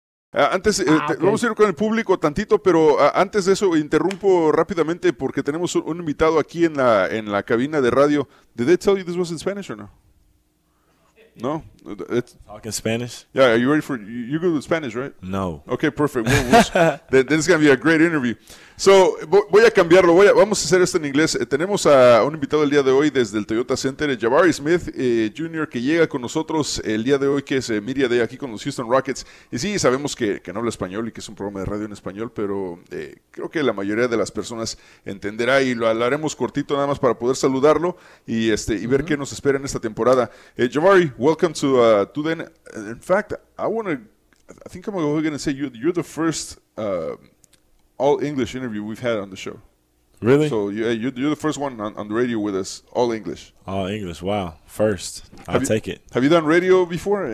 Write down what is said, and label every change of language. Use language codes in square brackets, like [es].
[es] Antes, vamos a ir con el público tantito, pero antes de eso interrumpo rápidamente porque tenemos un invitado aquí en la cabina de radio. [en] Did they tell you this was in Spanish or no? No? Talking Spanish? Yeah, are you ready for, you good with Spanish, right? No. Okay, perfect. Then it's going to be a great interview. [es] So, voy a cambiarlo, vamos a hacer esto en inglés. Tenemos a un invitado el día de hoy desde el Toyota Center, Jabari Smith Jr., que llega con nosotros el día de hoy, que es Media Day aquí con los Houston Rockets. Y sí, sabemos que no habla español y que es un programa de radio en español, pero creo que la mayoría de las personas entenderá y lo hablaremos cortito nada más para poder saludarlo y ver qué nos espera en esta temporada. [en] Jabari, welcome to TUDN. In fact, I think I'm going to say you're the first all English interview we've had on the show. Really? So you're the first one on the radio with us, all English. All English, wow. First. I'll take it. Have you done radio before?